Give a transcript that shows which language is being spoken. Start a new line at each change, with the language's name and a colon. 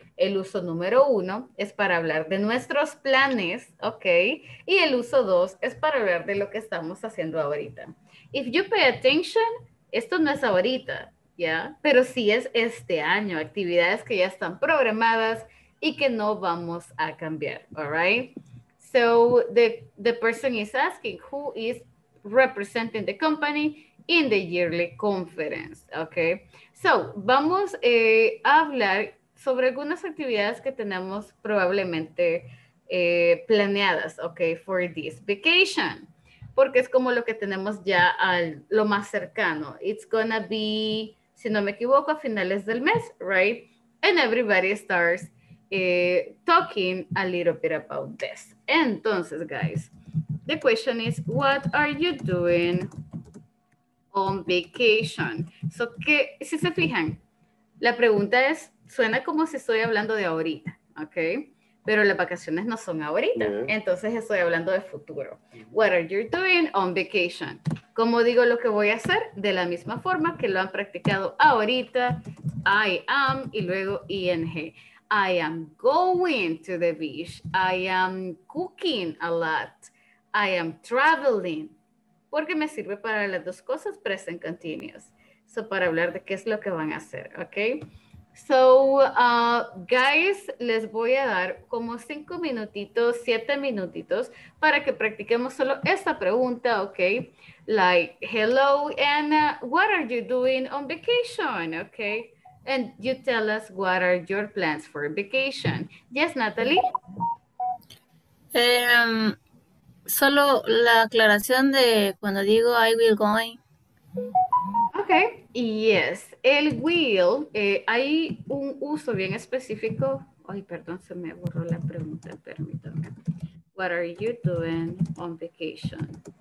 Spanish: El uso número uno es para hablar de nuestros planes, okay, y el uso dos es para hablar de lo que estamos haciendo ahorita.
English: If you pay attention,
Spanish: esto no es ahorita, ¿ya? Pero sí es este año, actividades que ya están programadas y que no vamos a cambiar,
English: all right? So, the person is asking, who is representing the company in the yearly conference, okay?
Spanish: So, vamos a hablar sobre algunas actividades que tenemos probablemente planeadas, okay,
English: for this vacation.
Spanish: porque es como lo que tenemos ya al lo más cercano.
English: It's gonna be,
Spanish: si no me equivoco, a finales del mes, right?
English: And everybody starts talking a little bit about this. Entonces, guys, the question is, what are you doing on vacation?
Spanish: So, que, si se fijan, la pregunta es, suena como si estoy hablando de ahorita, okay? Pero las vacaciones no son ahorita, uh-huh. Entonces estoy hablando de futuro.
English: What are you doing on vacation?
Spanish: ¿Cómo digo lo que voy a hacer? De la misma forma que lo han practicado ahorita,
English: I am,
Spanish: y luego ing.
English: I am going to the beach. I am cooking a lot. I am traveling.
Spanish: Porque me sirve para las dos cosas, present continuous. So, para hablar de qué es lo que van a hacer, okay? So, guys, les voy a dar como 5 minutitos, 7 minutitos, para que practiquemos solo esta pregunta, okay?
English: Like, hello, and what are you doing on vacation, okay? And you tell us what are your plans for vacation. Yes, Natalie?
Spanish: Solo la aclaración de cuando digo
English: I will going. Okay, yes.
Spanish: El will, hay un uso bien específico. Ay, perdón, se me borró la pregunta, permítanme.
English: What are you doing on vacation?